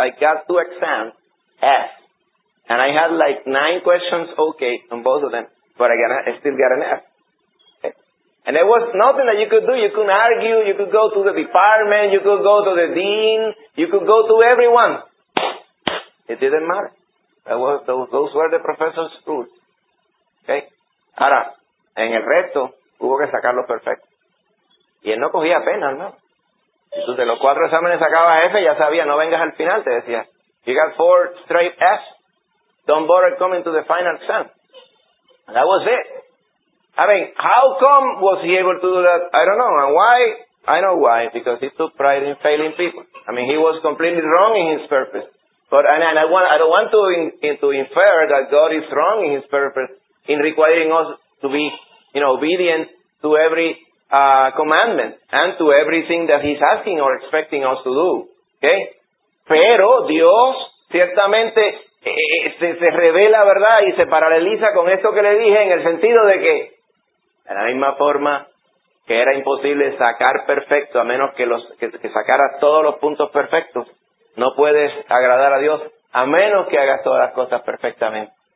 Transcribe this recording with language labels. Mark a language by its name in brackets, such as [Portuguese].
[English] I got two exams, F. And I had like 9 questions okay on both of them, but I still got an F. And there was nothing that you could do. You couldn't argue. You could go to the department. You could go to the dean. You could go to everyone. It didn't matter. That was, those were the professor's rules. Okay? [Spanish] Ahora, en el resto, hubo que sacarlo perfecto. Y él no cogía pena, ¿no? Entonces, los cuatro exámenes sacaba F, ya sabía, no vengas al final, te decía. [English] You got four straight F's. Don't bother coming to the final exam. And that was it. I mean, how come was he able to do that? I don't know. And why? I know why. Because he took pride in failing people. I mean, he was completely wrong in his purpose. But I don't want to infer that God is wrong in his purpose in requiring us to be, you know, obedient to every commandment and to everything that he's asking or expecting us to do. Okay? [Spanish] Pero Dios ciertamente se revela, ¿verdad? Y se paraleliza con esto que le dije en el sentido de que de la misma forma que era imposible sacar perfecto a menos que que sacaras todos los puntos perfectos, no puedes agradar a Dios a menos que hagas todas las cosas perfectamente.